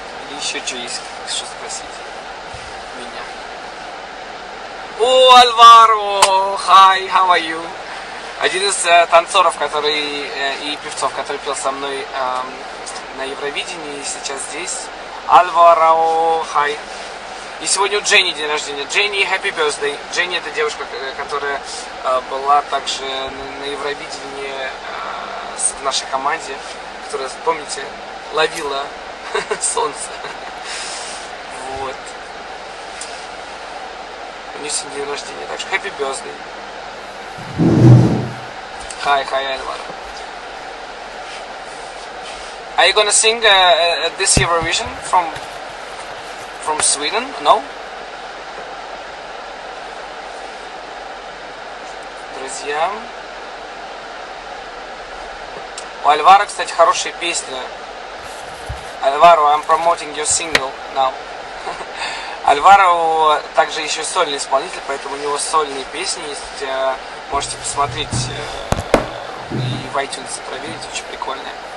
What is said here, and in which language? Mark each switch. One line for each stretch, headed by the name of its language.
Russian: Или еще что есть, что спросить?
English: О, Альваро, hi, how are you?
Russian: Один из танцоров, который и певцов, который пел со мной на Евровидении, сейчас здесь. Альваро,
English: hi.
Russian: И сегодня у Дженни день рождения.
English: Дженни, happy birthday.
Russian: Дженни — это девушка, которая была также на Евровидении в нашей команде, которая, помните, ловила солнце. У нее сегодня день рождения, так что
English: happy birthday. Hi, hi, Alvaro. Are you gonna sing this Eurovision from Sweden? No?
Russian: Друзья. У Альвара, кстати, хорошая песня.
English: Alvaro, I'm promoting your single now.
Russian: Альваро также еще сольный исполнитель, поэтому у него сольные песни есть. Можете посмотреть и в iTunes проверить, очень прикольные.